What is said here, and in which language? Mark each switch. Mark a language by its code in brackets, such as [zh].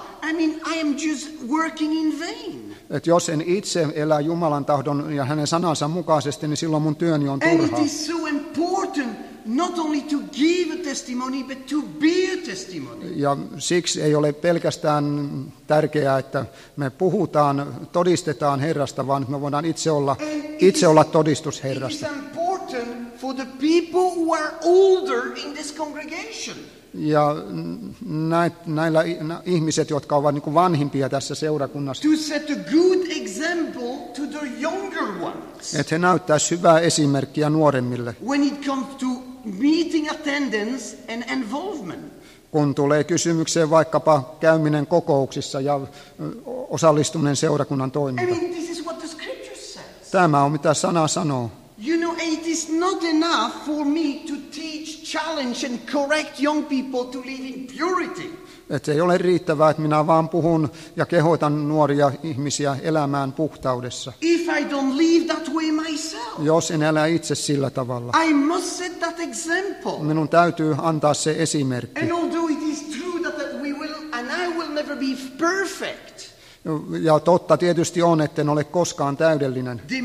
[en] I mean, I am just working in vain. [fi] Et jos en itse elä Jumalan tahdon ja hänen sanansa mukaisesti, niin silloin mun työni on turhaa. [en] And it is so important not only to give a testimony but to be a testimony. [fi] Ja siksi ei ole pelkästään tärkeää, että me puhutaan, todistetaan Herrasta, vaan me voidaan itse olla todistus Herrasta. [en] It is important for the people who are older in this congregation. [fi] Ja näillä ihmiset, jotka ovat niin kuin vanhimpia tässä seurakunnassa, [en] to set a good example to the younger ones. [fi] Että he näyttäisivät hyvää esimerkkiä nuoremmille. [en] When it comes to meeting attendance and involvement. [fi] Kun tulee kysymykseen vaikkapa käyminen kokouksissa ja osallistuminen seurakunnan toimintaan. [en] I mean, this is what the scripture says. [fi] Tämä on mitä sana sanoo. [en] You know, it is not enough for me to teach, challenge and correct young people to live in purity. [fi] Et se ei ole riittävää, että minä vaan puhun ja kehotan nuoria ihmisiä elämään puhtaudessa. [en] If I don't live that way myself. [fi] Jos en elä itse sillä tavalla. [en] I must set that example. [fi] Minun täytyy antaa se esimerkki. [en] And although it is true that we will and I will never be perfect. [fi] Ja totta tietysti on, etten ole koskaan täydellinen.